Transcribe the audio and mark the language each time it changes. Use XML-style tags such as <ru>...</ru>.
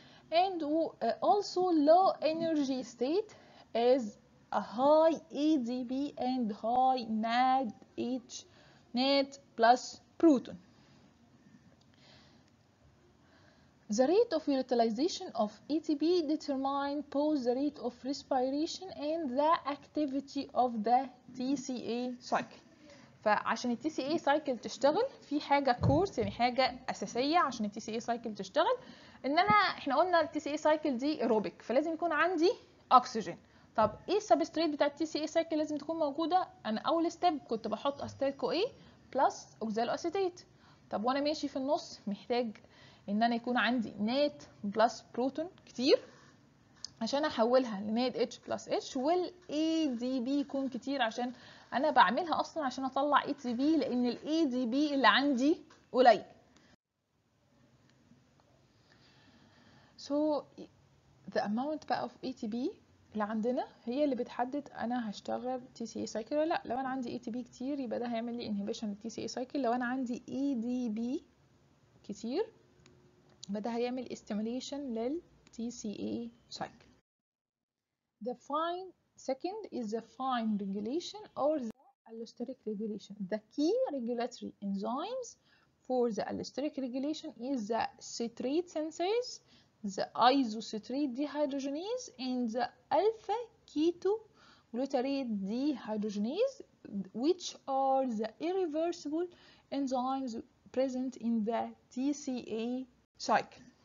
<en>And also low energy state is a high ADP and high NADH net plus proton. The rate of utilization of ATP determines both the rate of respiration and the activity of the TCA cycle.</en> <ar>فعشان TCA cycle تشتغل في حاجة كورس يعني حاجة أساسية عشان TCA cycle تشتغل إن أنا إحنا قلنا TCA cycle دي aerobic فلازم يكون عندي oxygen. طب إيه substrate بتاع TCA cycle لازم تكون موجودة؟ أنا أول step كنت بحط acetyl CoA plus oxaloacetate. طب وأنا ماشي في النص محتاج ان انا يكون عندي نات بلس بروتون كتير عشان احولها لنات اتش بلس اتش، والاي دي بي يكون كتير عشان انا بعملها اصلا عشان اطلع اي تي بي لان الاي دي بي اللي عندي قليل.</ar> <en>So the amount</en> <ar>بقى of ATP اللي عندنا هي اللي بتحدد انا هشتغل تي سي اي سايكل ولا لا. لو انا عندي اي تي بي كتير يبقى ده هيعمل لي انهبيشن للتي سي اي سايكل، لو انا عندي اي دي بي كتير بدا هيعمل استيميليشن لل TCA cycle.</ar> <en>The fine second is the fine regulation or the allosteric regulation. The key regulatory enzymes for the allosteric regulation is the citrate synthase, the isocitrate dehydrogenase and the alpha ketoglutarate dehydrogenase, which are the irreversible enzymes present in the TCA cycle.</en>